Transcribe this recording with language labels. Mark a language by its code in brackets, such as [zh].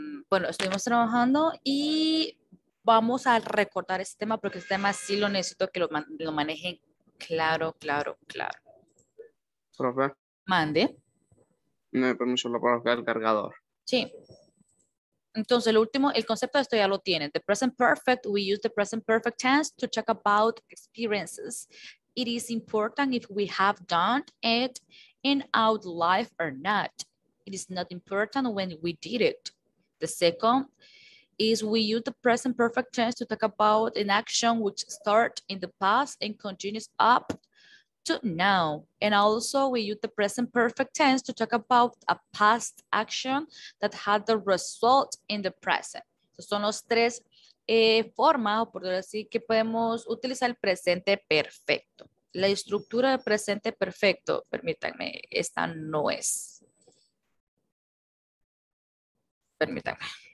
[es] Bueno, estuvimos trabajando y vamos a recordar este tema porque este tema sí lo necesito que lo manejen claro, claro, claro. Profe. Mande. No hay permiso, lo puedo el cargador. Sí. Entonces, lo último, el concepto de esto ya lo tienen. [en] The present perfect, we use the present perfect tense to talk about experiences. It is important if we have done it in our life or not. It is not important when we did it. The second is we use the present perfect tense to talk about an action which starts in the past and continues up to now. And also we use the present perfect tense to talk about a past action that had the result in the present. [es] So son los tres formas, por decir, que podemos utilizar el presente perfecto. La estructura del presente perfecto, permítanme, esta no es. Permítanme.